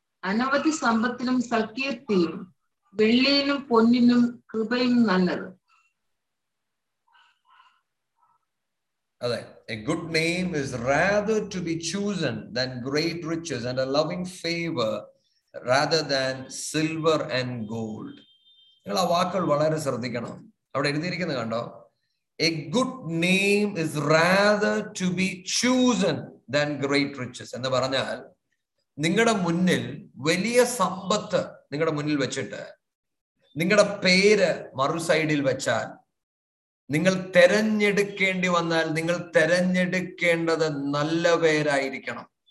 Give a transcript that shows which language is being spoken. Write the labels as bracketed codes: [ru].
[ml] അനവധി സമ്പത്തിനും സൽക്കീർത്തിയും വെള്ളിയിലും പൊന്നിനും കൃപയും നല്ലത്. അതെ, [en] a good name is rather to be chosen than great riches and a loving favor rather than silver and gold. [ml] നിങ്ങൾ ആ വാക്കുകൾ വളരെ ശ്രദ്ധിക്കണം. അവിടെ എഴുതിയിരിക്കുന്നത് കണ്ടോ, [en] a good name is rather to be chosen than great riches [ml] എന്ന് പറഞ്ഞാൽ, നിങ്ങളുടെ മുന്നിൽ വലിയ സമ്പത്ത് നിങ്ങളുടെ മുന്നിൽ വെച്ചിട്ട് നിങ്ങളുടെ പേര് മറുസൈഡിൽ വെച്ചാൽ, നിങ്ങൾ തിരഞ്ഞെടുക്കേണ്ടി വന്നാൽ നിങ്ങൾ തിരഞ്ഞെടുക്കേണ്ടത് നല്ല പേരായിരിക്കണം.